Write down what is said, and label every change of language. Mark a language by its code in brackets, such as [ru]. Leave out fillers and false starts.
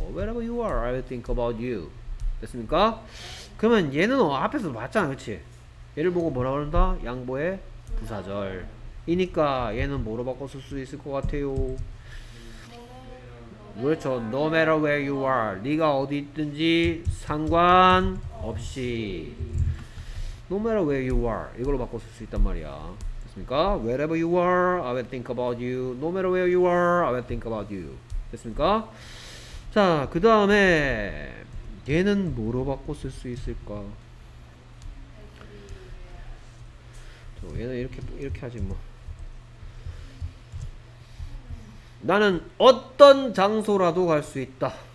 [en] Wherever you are, I will think about you. [ko] 됐습니까? 그러면 얘는 앞에서 봤잖아. 그치? 얘를 보고 뭐라 그런다? 양보의 부사절 이니까 얘는 뭐로 바꿔 쓸 수 있을 것 같아요? [en] 그렇죠. No matter where you are. [ko] 네가 어디 있든지 상관없이. [en] No matter where you are. [ko] 이걸로 바꿔 쓸 수 있단 말이야. 됐습니까? [en] Wherever you are, I will think about you. No matter where you are, I will think about you. [ko] 됐습니까? 자, 그 다음에 얘는 뭐로 바꿔 쓸 수 있을까? 저 얘는 이렇게 하지 뭐. 나는 어떤 장소라도 갈 수 있다.